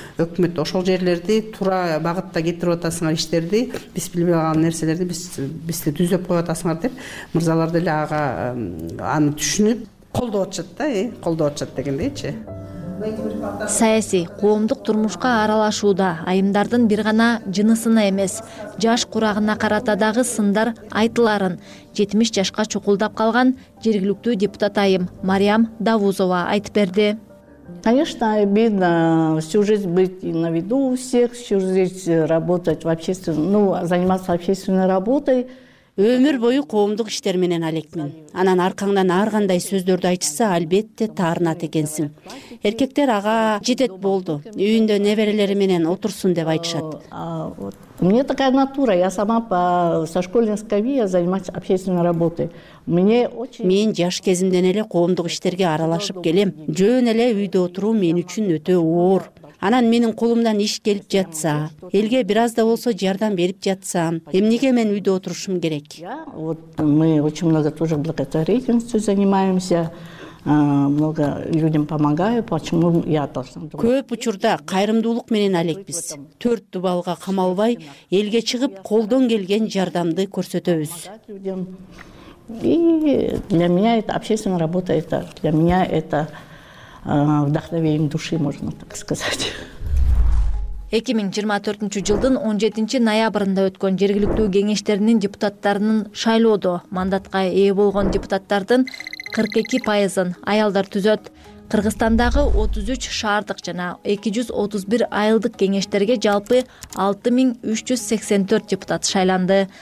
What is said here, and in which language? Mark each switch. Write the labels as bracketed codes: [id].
[ky] Өкмөт ошол жерлерди туура багытта кетирип атасыңар, иштерди биз билбей калган нерселерди бизди түзөп коюп атасыңар деп мырзалар деле ага аны түшүнүп колдоп атышат да, колдоп атышат дегендейчи. Саясий коомдук турмушка аралашууда айымдардын бир гана жынысына эмес, жаш курагына карата дагы сындар айтыларын 70 жашка чукулдап калган жергиликтүү депутат айым Мариям Давузова айтып берди. [ru] Конечно, обидно всю жизнь быть на виду у всех, всю жизнь работать в общественном, заниматься общественной работой. [ky] Өмүр бою коомдук иштер менен алекмин. Анан аркаңдан ар кандай сөздөрдү айтышса, албетте таарынат экенсиң. Эркектер ага жетет болду, үйүндө неберелери менен отурсун деп айтышат. [ru] У меня такая натура, я сама со школьной скамьи занимаюсь общественной работой. [ky] Мен жаш кезимден эле коомдук иштерге аралашып келем. Жөн эле үйдө отуруу мен үчүн өтө оор. Анан менин колумдан иш келип жатса, элге бир аз да болсо жардам берип жатсам, эмнеге мен үйдө отурушум керек? [ru] Мы очень много тоже благотворительностью занимаемся. Много людям помогаю, почему я должна. [ky] Көп учурда кайрымдуулук менен алекпиз. Төрт дубалга камалбай, элге чыгып колдон келген жардамды көрсөтөбүз. [ru] И для меня это общественная работа, это для меня это вдохновением души, можно так сказать. [ky] 2024 жылдын 17 ноябрында өткөн жергиликтүү кеңештеринин депутаттарынын шайлоодо мандатка ээ болгон депутаттардын 42% аялдар түзөт. Кыргызстандагы 33 шаардык жана 231 айылдык кеңештерге жалпы 6384 депутат шайланды.